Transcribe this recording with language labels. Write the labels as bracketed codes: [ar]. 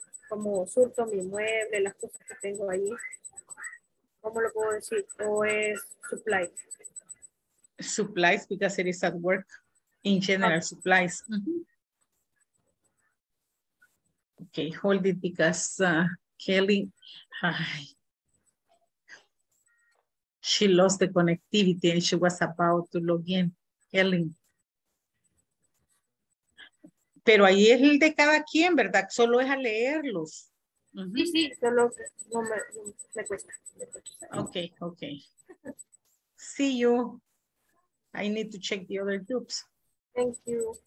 [es] Como surto mi mueble, las cosas que tengo ahí. ¿Cómo lo puedo decir? O es supply. [en] Supplies, because it is at work, in general, okay. Supplies. Mm-hmm. Okay, hold it, because Kelly, she lost the connectivity and she was about to log in. Kelly. [es] Pero ahí es el de cada quien, ¿verdad? Solo es a leerlos. Mm-hmm. Sí, sí, solo me cuesta. [en] Okay, okay. See you. I need to check the other groups. Thank you.